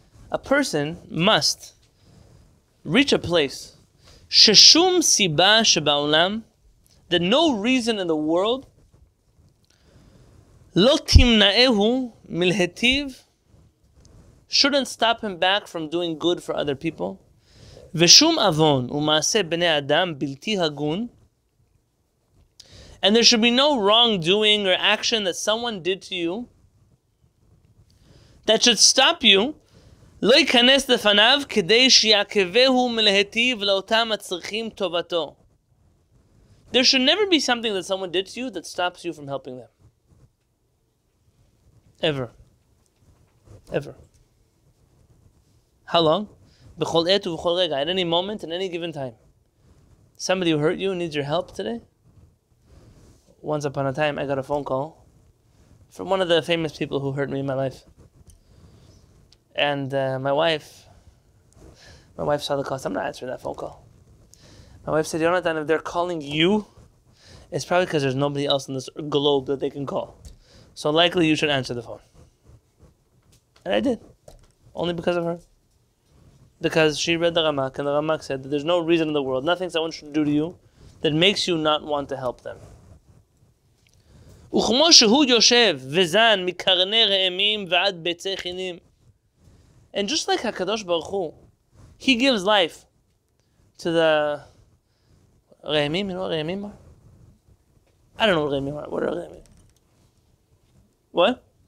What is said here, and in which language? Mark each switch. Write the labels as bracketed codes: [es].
[en] A person must reach a place. [he] Sheshum siba sheba'olam. [en] That no reason in the world. [he] Lo timna'ehu milhetiv. [en] Shouldn't stop him back from doing good for other people. [he] ושום אבון ומעשה בני אדם בלתי הגון. [en] And there should be no wrongdoing or action that someone did to you that should stop you. [he] לא ייכנס לפניו כדי שיעקבהו מלהטיב לאותם הצריכים טובתו. [en] There should never be something that someone did to you that stops you from helping them. Ever. Ever. How long? [he] בכל עת ובכל רגע, [en] at any moment, in any given time. Somebody who hurt you needs your help today? Once upon a time, I got a phone call from one of the famous people who hurt me in my life. And my wife saw the call. I'm not answering that phone call. My wife said, Yonatan, if they're calling you, it's probably because there's nobody else in this globe that they can call. So likely you should answer the phone. And I did. Only because of her. Because she read the Ramak, and the Ramak said that there's no reason in the world, nothing someone should do to you, that makes you not want to help them. [he] וכמו שהוא יושב וזן מקרני רעמים ועד ביצי חינים. [en] And just like HaKadosh Baruch Hu, he gives life to the רעמים, you know what רעמים are? I don't know what רעמים are. What are רעמים? What?